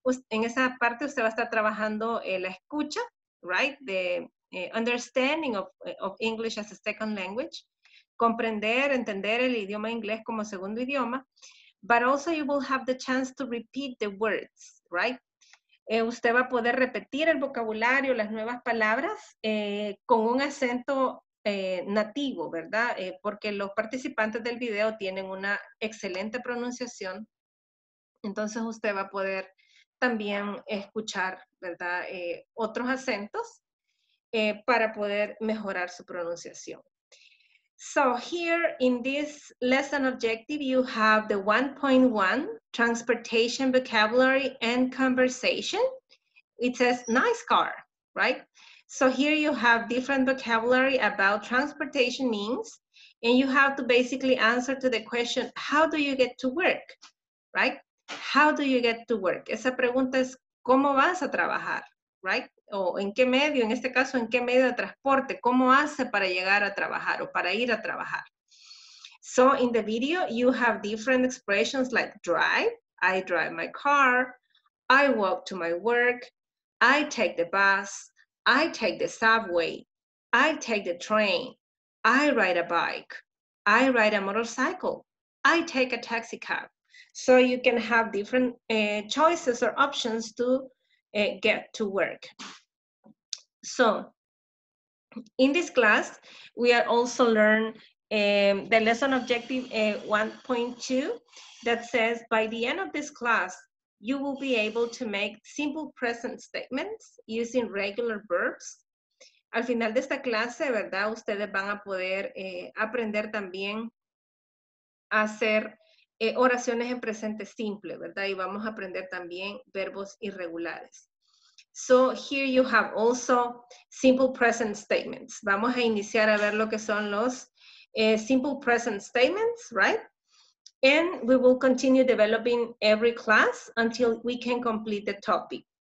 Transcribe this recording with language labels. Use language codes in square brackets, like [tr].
[es] En esa parte usted va a estar trabajando la escucha, right? [en] The understanding of English as a second language. [es] Comprender, entender el idioma inglés como segundo idioma. [en] But also you will have the chance to repeat the words, right? [es] Usted va a poder repetir el vocabulario, las nuevas palabras, con un acento nativo, ¿verdad? Porque los participantes del video tienen una excelente pronunciación. Entonces usted va a poder también escuchar, ¿verdad? Otros acentos para poder mejorar su pronunciación. [en] So here in this lesson objective, you have the 1.1 transportation vocabulary and conversation. It says nice car, right? So here you have different vocabulary about transportation means, and you have to basically answer to the question, how do you get to work, right? How do you get to work? [es] Esa pregunta es, ¿cómo vas a trabajar? [en] Right? [es] O en qué medio, en este caso, ¿en qué medio de transporte? ¿Cómo hace para llegar a trabajar o para ir a trabajar? [en] So in the video, you have different expressions like drive, I drive my car, I walk to my work, I take the bus, I take the subway, I take the train, I ride a bike, I ride a motorcycle, I take a taxi cab. So you can have different choices or options to get to work. So in this class, we are also learn the lesson objective 1.2 that says, by the end of this class, you will be able to make simple present statements using regular verbs. [es] Al final de esta clase, ¿verdad? Ustedes van a poder aprender también a hacer oraciones en presente simple, ¿verdad? Y vamos a aprender también verbos irregulares. [en] So here you have also simple present statements. [es] Vamos a iniciar a ver lo que son los simple present statements, right? [en] And we will continue developing every class until we can complete the topic.